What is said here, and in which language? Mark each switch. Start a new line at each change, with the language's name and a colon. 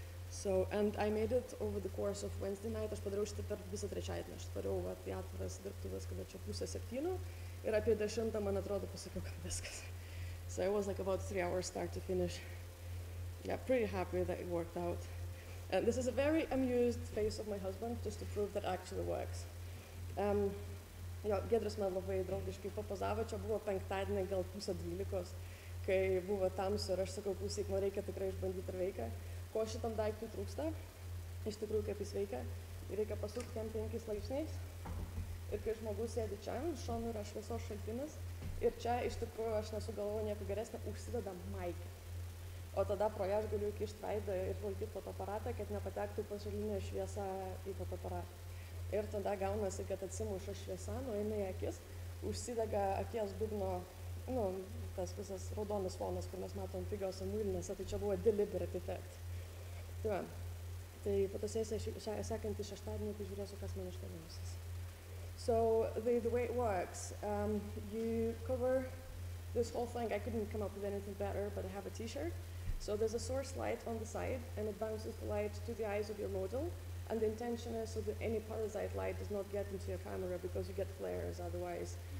English: So, and I made it over the course of Wednesday night,
Lithuanian: aš padariau šitą per visą trečiadienį, aš padariau apie atviras dirbtuvės, kada čia pusę 7 ir apie 10, man atrodo, pasakiau, kad viskas.
English: So it was like about 3 hours start to finish. Yeah, pretty happy that it worked out. And this is a very amused face of my husband, just to prove that it actually works.
Lithuanian: Jo, Giedras man labai draugiškai papozavo, čia buvo penktadienį gal pusę 12, kai buvo tamsu ir aš sakau, klausyk, man reikia tikrai išbandyti ir veikia. Ko šitam daiktui trūksta, iš tikrųjų kaip jis veikia, reikia pasukti jam 5 laipsniais. Ir kai žmogus sėdi čia, šonu yra šviesos šaltinis, ir čia, iš tikrųjų, aš nesugalvoju nieko geresnio, užsideda maikę. O tada pro ją aš galiu įkišti veidą ir valdyti fotoaparatą, kad nepatektų pasaulinė šviesa į fotoaparatą. Ir tada gaunasi, kad atsimuša šviesa, nueina į akis, užsidega akies dugno, nu, tas visas raudonas fonas, kur mes matom pigiose muilinėse, tai čia buvo
English: deliberate effect.
Lithuanian: Tai va, tai fotosesija sekantį šeštadienį, tai žiūrėsiu, kas man iškalinusis.
English: So the way it works, you cover this whole thing. I couldn't come up with anything better, but I have a t-shirt. So there's a source light on the side and it bounces the light to the eyes of your model. And the intention is so that any parasite light does not get into your camera because you get flares otherwise.